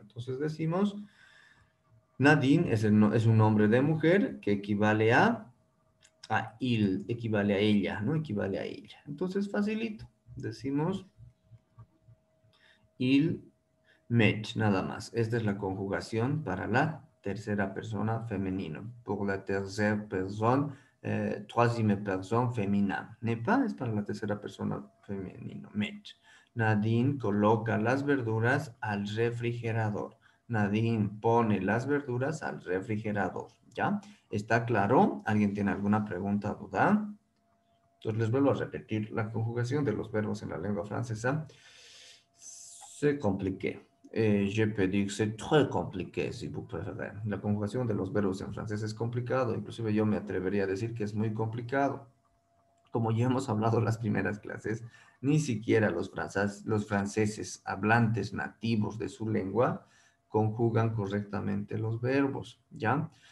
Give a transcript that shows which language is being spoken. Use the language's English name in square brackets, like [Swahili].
[Spanish] Entonces decimos, Nadine es un nombre de mujer que equivale a il, equivale a ella, ¿no? Equivale a ella. Entonces, facilito. Decimos, il met, nada más. Esta es la conjugación para la tercera persona, femenino. [French] Pour [Spanish] la tercera persona, [French] troisième personne, féminin. N'est pas, [Spanish] es para la tercera persona, femenino, met. Nadine coloca las verduras al refrigerador. Nadine pone las verduras al refrigerador. ¿Ya? ¿Está claro? ¿Alguien tiene alguna pregunta o duda? Entonces les vuelvo a repetir. La conjugación de los verbos en la lengua francesa [French] se compliqué. Je peux dire que c'est très compliqué, si vous préférez. [Spanish] La conjugación de los verbos en francés es complicado. Inclusive yo me atrevería a decir que es muy complicado. Como ya hemos hablado en las primeras clases, ni siquiera los franceses hablantes nativos de su lengua conjugan correctamente los verbos, ¿ya?